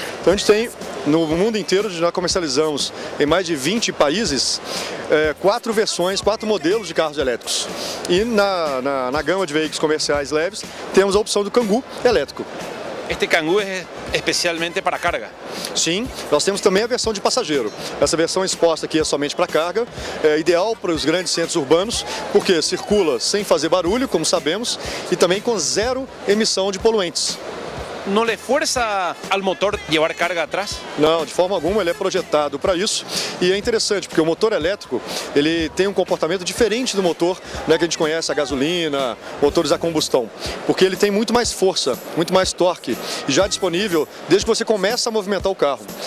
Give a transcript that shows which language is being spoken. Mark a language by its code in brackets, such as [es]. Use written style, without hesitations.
[es] Entonces, [pt] a gente [es] tiene, no mundo entero, ya comercializamos en más de 20 países, cuatro versiones, cuatro modelos de carros eléctricos. Y en la gama de vehículos comerciales leves, tenemos la opción del Kangoo eléctrico. Este Kangoo es especialmente para carga. [pt] Sí, nós temos também a versão de passageiro. Essa versão exposta aqui é somente para carga, é ideal para os grandes centros urbanos, porque circula sem fazer barulho, como sabemos, e também com zero emissão de poluentes. [es] ¿No le fuerza al motor llevar carga atrás? No, de forma alguna, él es proyectado para eso. Y es interesante porque el motor eléctrico ele tiene un comportamiento diferente del motor né, que a gente conoce, a gasolina, motores a combustión. Porque él tiene mucho más fuerza, mucho más torque, y ya disponible desde que você comienza a movimentar el carro.